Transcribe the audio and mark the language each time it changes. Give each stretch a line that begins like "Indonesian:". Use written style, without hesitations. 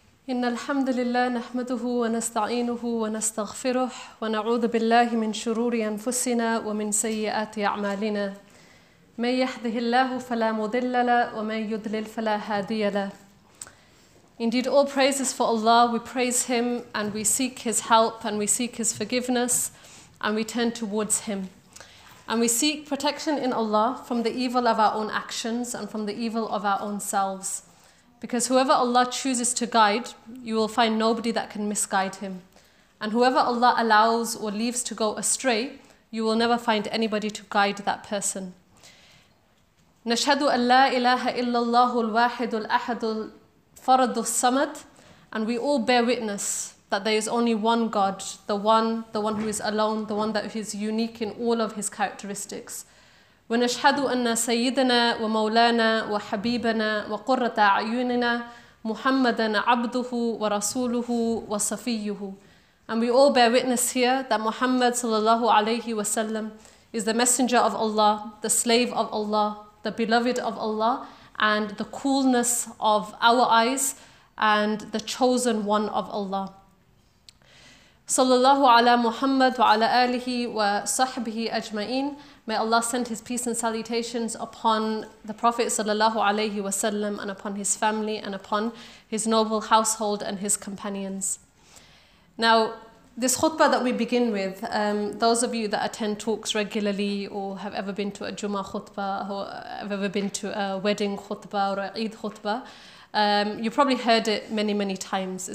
Arabic: إن الحمد لله نحمده ونستعينه ونستغفره ونعوذ بالله من شرور أنفسنا ومن سيئات أعمالنا. من يهده الله فلا مضل له ومن يضلل فلا هادي له.
English: Indeed, all praise is for Allah. We praise Him and we seek His help and we seek His forgiveness and we turn towards Him. And we seek protection in Allah from the evil of our own actions and from the evil of our own selves. Because whoever Allah chooses to guide, you will find nobody that can misguide him. And whoever Allah allows or leaves to go astray, you will never find anybody to guide that person.
Arabic: نشهد أن لا إله إلا الله الواحد الأحد الفرد الصمد.
English: And we all bear witness that there is only one God, the one who is alone, the one that is unique in all of his characteristics.
Arabic: ونشهد أن سيدنا ومولانا وحبيبنا وقرة أعيننا محمدا عبده ورسوله وصفيه.
English: And we all bear witness here that Muhammad
Arabic: صلى الله عليه وسلم
English: is the messenger of Allah, the slave of Allah, the beloved of Allah, and the coolness of our eyes and the chosen one of Allah.
Arabic: صلى الله على محمد وعلى آله وصحبه أجمعين.
English: May Allah send His peace and salutations upon the Prophet sallallahu alayhi wasallam and upon his family and upon his noble household and his companions. Now, this khutbah that we begin with, those of you that attend talks regularly or have ever been to a Jummah khutbah or have ever been to a wedding khutbah or a Eid khutbah, you probably heard it many, many times.